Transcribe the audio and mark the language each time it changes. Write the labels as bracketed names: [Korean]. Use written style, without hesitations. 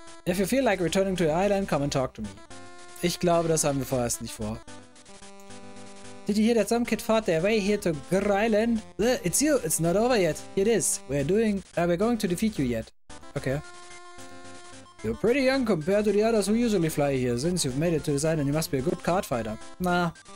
[English] If you feel like returning to your island, come and talk to me. [German] Ich glaube, das haben wir vorerst nicht vor. [English] Did you hear that some kid fought their way here to Grr Island? It's you. It's not over yet. It is. We're going to defeat you yet. Okay. You're pretty young compared to the others who usually fly here. Since you've made it to this island, you must be a good card fighter. Na.